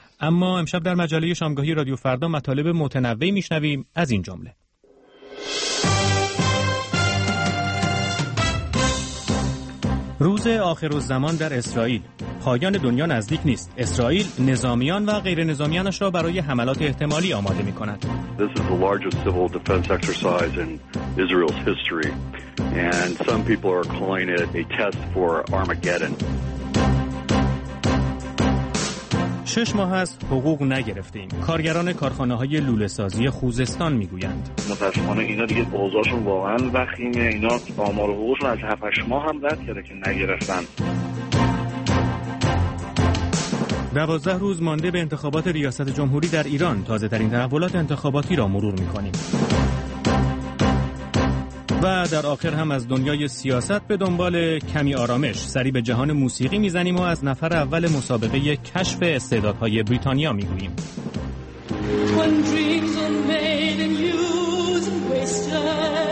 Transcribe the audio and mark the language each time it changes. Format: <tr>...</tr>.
<fa>اما امشب در مجله شامگاهی رادیو فردا مطالب متنوعی میشنویم از این جمله: روز آخر الزمان در اسرائیل، پایان دنیا نزدیک نیست، اسرائیل نظامیان و غیر نظامیانش را برای حملات احتمالی آماده می کند.</fa> <en>This is the largest civil defense exercise in Israel's history and some people are calling it a test for Armageddon.</en> <fa>6 ماه است حقوق نگرفتیم. کارگران کارخانه های لوله سازی خوزستان میگویند. متاسفانه اینا دیگه بازارشون واقعا وخیمه. اینا آمار حقوقشون از 7-8 ماه هم رد کرده که نگرفتن. 12 روز مانده به انتخابات ریاست جمهوری در ایران، تازه ترین تحولات انتخاباتی را مرور میکنیم. و در آخر هم از دنیای سیاست به دنبال کمی آرامش سری به جهان موسیقی میزنیم و از نفر اول مسابقه کشف استعدادهای بریتانیا میگوییم.</fa> <en>When dreams are made and used and wasted.</en>